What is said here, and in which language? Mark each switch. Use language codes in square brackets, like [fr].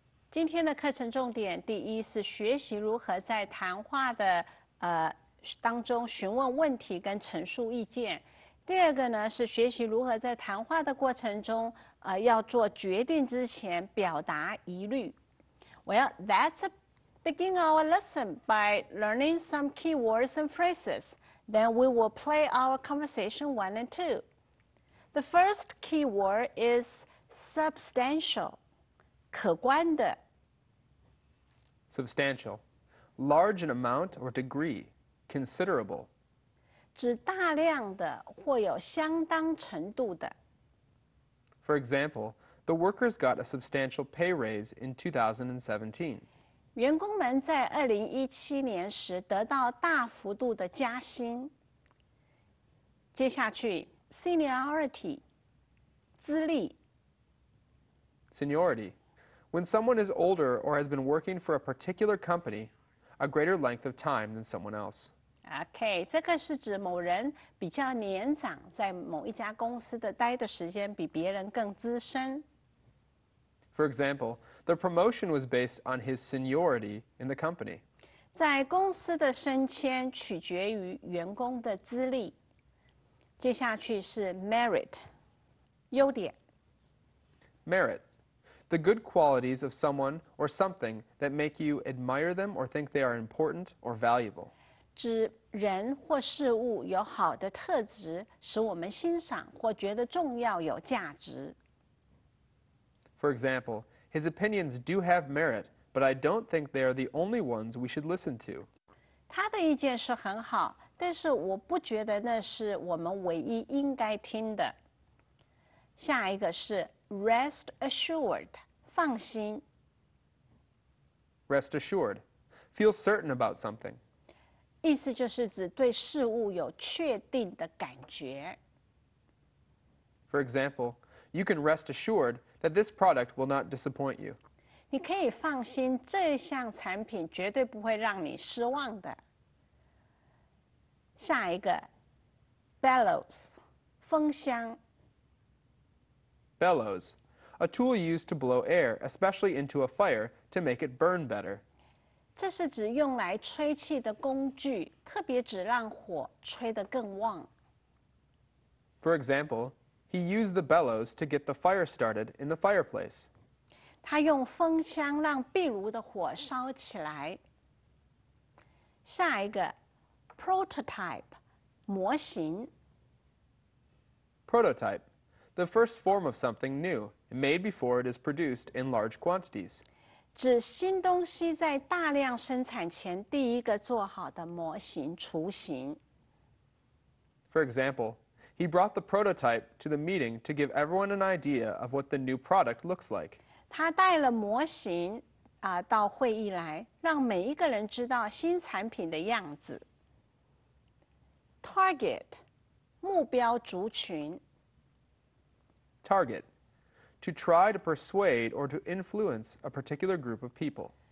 [zh] 今天的课程重点第一是学习如何在谈话的当中询问问题跟陈述意见。第二个呢是学习如何在谈话的过程中要做决定之前表达疑虑。 [en] Well, let's begin our lesson by learning some key words and phrases. Then we will play our conversation one and two. The first key word is substantial, 可观的。 Substantial, large in amount or degree, considerable. [zh] 指大量的或有相当程度的。 [en] For example, the workers got a substantial pay raise in 2017. [zh] 员工们在2017年时得到大幅度的加薪。接下去 ,seniority, 资历。 [en] Seniority. When someone is older or has been working for a particular company, a greater length of time than someone else. [zh] Okay, 这个是指某人比较年长，在某一家公司的待的时间比别人更资深。 [en] For example, the promotion was based on his seniority in the company. [zh] 在公司的升迁取决于员工的资历。接下去是 merit, 优点。 [en] Merit, the good qualities of someone or something that make you admire them or think they are important or valuable. [zh] 指人或事物有好的特质，使我们欣赏或觉得重要有价值。 [en] For example, his opinions do have merit, but I don't think they are the only ones we should listen to. [zh] 他的意见是很好，但是我不觉得那是我们唯一应该听的。下一个是 rest assured, 放心。 [en] Rest assured, feel certain about something. [zh] 意思就是指对事物有确定的感觉。 [en] For example, you can rest assured that this product will not disappoint you. [zh] 你可以放心，这项产品绝对不会让你失望的。下一个 ，bellows， 风箱。 [en] Bellows, a tool used to blow air, especially into a fire, to make it burn better. [zh] 这是指用来吹气的工具，特别指让火吹得更旺。 [en] For example, he used the bellows to get the fire started in the fireplace. [zh] 他用风枪让壁炉的火烧起来。下一个 ,prototype, 模型。 [en] Prototype, the first form of something new, made before it is produced in large quantities. [zh] 指新东西在大量生产前第一个做好的模型雏形。 [en] For example, he brought the prototype to the meeting to give everyone an idea of what the new product looks like. [zh] 他带了模型到会议来，让每一个人知道新产品的样子。 Target, 目标族群。 [en] Target. To try to persuade or to influence a particular group of people.